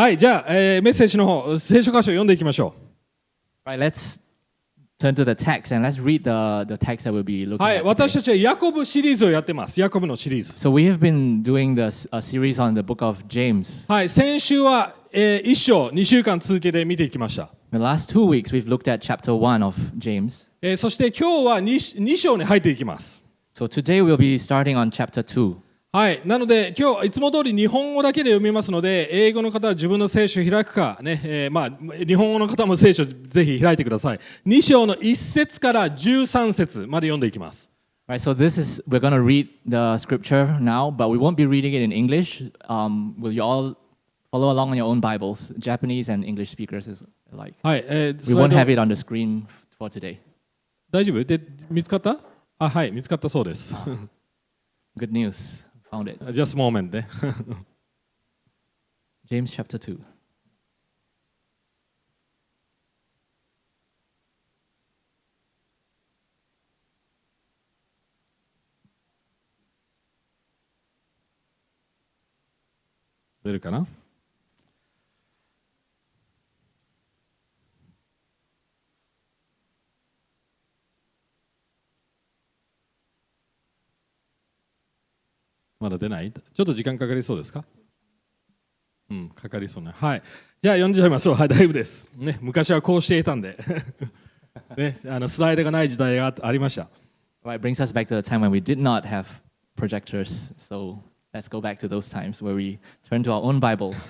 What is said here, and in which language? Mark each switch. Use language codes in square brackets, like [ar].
[ja] はい、じゃあ、メッセージの方、聖書箇所を読んでいきましょう。 [en] Right, let's turn to the text and let's read the text that we'll be looking at today. [ja] はい、私たちはヤコブシリーズをやってます。ヤコブのシリーズ。 [en] So we have been doing a series on the book of James. [ja] はい、先週は、一章、二週間続けて見ていきました。 [en] The last two weeks we've looked at chapter one of James. [ja] そして今日は二章に入っていきます。 [en] So today we'll be starting on chapter two. [ja] はい、なので今日いつも通り日本語だけで読みますので、英語の方は自分の聖書を開くかね、まあ日本語の方も聖書ぜひ開いてください。 2章の1節から13節まで読んでいきます。 [en] Right, so this is we're gonna read the scripture now, but we won't be reading it in English. Will you all follow along on your own Bibles, Japanese and English speakers alike? はい、 we won't have it on the screen for today. [ja] 大丈夫？で見つかった？あ、はい、見つかったそうです。 [en] Good news. Found it. Just a moment. James chapter 2. Did it come out? [ja] まだ出ない？ちょっと時間かかりそうですか？うん、かかりそうね。はい。じゃあ読んじゃいましょう。はい、大丈夫です。ね、昔はこうしていたんで。ね、スライドがない時代がありました。 [en] Right, brings us back to the time when we did not have projectors. So, let's go back to those times where we turn to our own Bibles.